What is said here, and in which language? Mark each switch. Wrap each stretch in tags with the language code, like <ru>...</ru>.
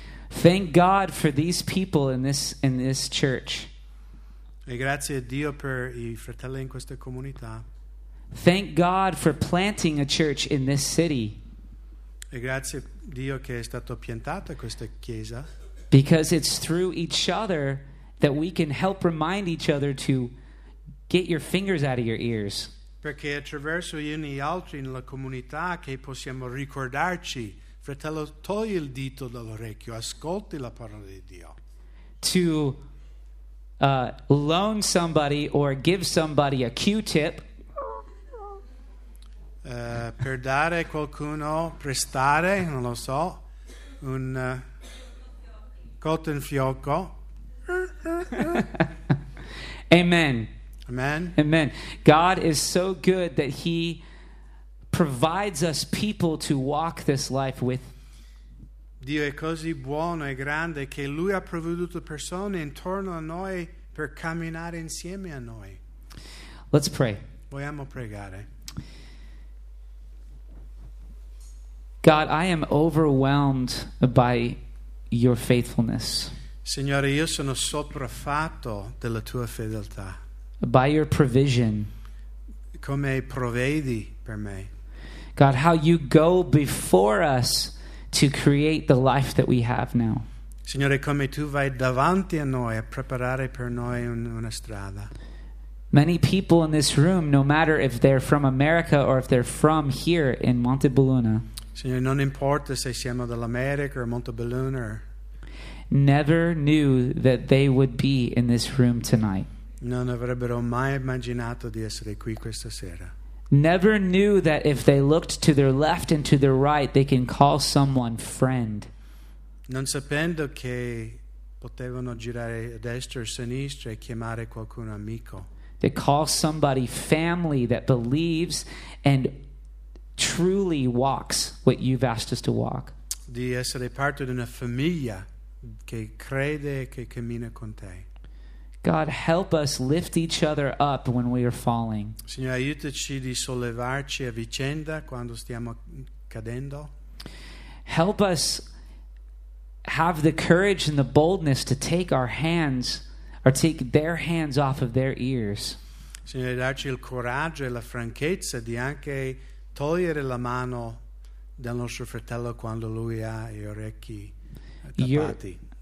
<en>Thank God for these people in this church.</en> <it>E grazie a Dio per i fratelli in questa comunità.</it> <en>Thank God for planting a church in this city.</en> <it>E grazie a Dio che è stato piantata questa chiesa.</it> <en>Because it's through each other that we can help remind each other to get your fingers out of your ears.</en> <it>Perché attraverso gli uni altri nella comunità che possiamo ricordarci, fratello, togli il dito dall'orecchio, ascolti la parola di Dio.</it> <en>To loan somebody or give somebody a Q-tip.</en> <it>Per dare qualcuno, prestare, non lo so, un cotton fioco.</it> <en>Amen.</en> <it>Amen.</it> <en>Amen. God is so good that He provides us people to walk this life with.</en> <it>Dio è così buono e grande che Lui ha provveduto persone intorno a noi per camminare insieme a noi.</it> <en>Let's pray.</en> <it>Vogliamo pregare.</it> <en>God, I am overwhelmed by your faithfulness.</en> <it>Signore, io sono sopraffatto della tua fedeltà.</it> <en>By your provision.</en> <it>Come provvedi per me.</it> <en>God, how you go before us to create the life that we have now.</en> <it>Signore, come tu vai davanti a noi a preparare per noi una strada.</it> <en>Many people in this room, no matter if they're from America or if they're from here in Montebelluna.</en> <it>Signore, non importa se siamo dall'America o Montebelluna.</it> <en>Never knew that they would be in this room tonight.</en> <it>Non avrebbero mai immaginato di essere qui questa sera.</it> <en>Never knew that if they looked to their left and to their right, they can call someone friend.</en> <it>Non sapendo che potevano girare a destra o a sinistra e chiamare qualcuno amico.</it> <en>They call somebody family that believes and truly walks what you've asked us to walk.</en> <it>Di essere parte di una famiglia che crede e che cammina con te.</it> <en>God, help us lift each other up when we are falling.</en> <it>Signore, aiutaci di sollevarci a vicenda quando stiamo cadendo.</it> <en>Help us have the courage and the boldness to take our hands or take their hands off of their ears.</en> <it>Signore, darci il coraggio e la franchezza di anche togliere la mano del nostro fratello quando lui ha gli orecchi tappati.</it>